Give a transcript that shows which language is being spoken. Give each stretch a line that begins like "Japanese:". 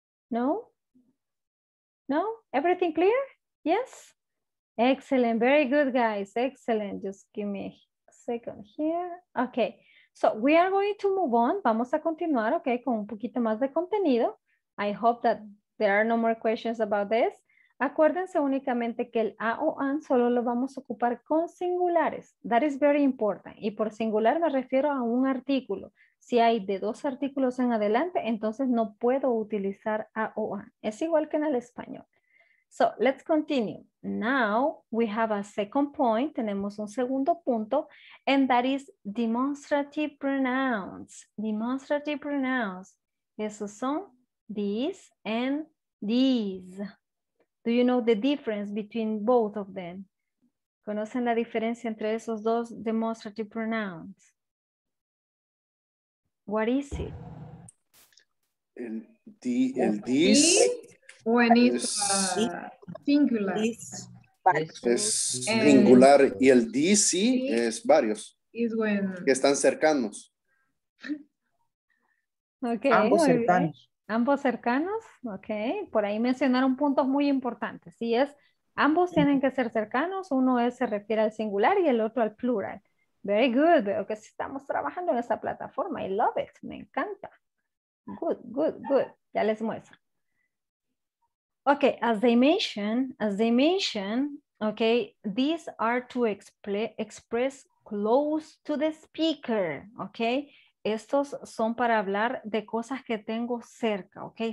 English: No? No? Everything clear? Yes? Excellent. Very good, guys. Excellent. Just give me a second here. Okay. So we are going to move on.
Spanish: Vamos a continuar, ok, con un poquito más de contenido.
English: I hope that there are no more questions about this.
Spanish: Acuérdense únicamente que el a o an solo lo vamos a ocupar con singulares.
English: That is very important.
Spanish: Y por singular me refiero a un artículo. Si hay de dos artículos en adelante, entonces no puedo utilizar a o an. Es igual que en el español.
English: So let's continue. Now we have a second point,
Spanish: tenemos un segundo punto,
English: and that is demonstrative pronouns. Demonstrative pronouns.
Spanish: Esos son
English: these and these. Do you know the difference between both of them?
Spanish: ¿Conocen la diferencia entre esos dos demonstrative pronouns?
English: What is it?
Spanish: El these.
English: When it's
Spanish: singular. Es singular. Y el this, sí, es varios.
English: Is when...
Spanish: Que están cercanos.
English: Okay,
Spanish: ambos cercanos. Ambos cercanos, ok. Por ahí mencionaron puntos muy importantes. Sí, es, ambos tienen que ser cercanos. Uno es, se refiere al singular y el otro al plural.
English: Very good.
Spanish: Veo que estamos trabajando en esa plataforma.
English: I love it.
Spanish: Me encanta.
English: Good, good, good.
Spanish: Ya les muestro.
English: Okay, as they mentioned, okay, these are to express close to the speaker, okay?
Spanish: Estos son para hablar de cosas que tengo cerca, okay?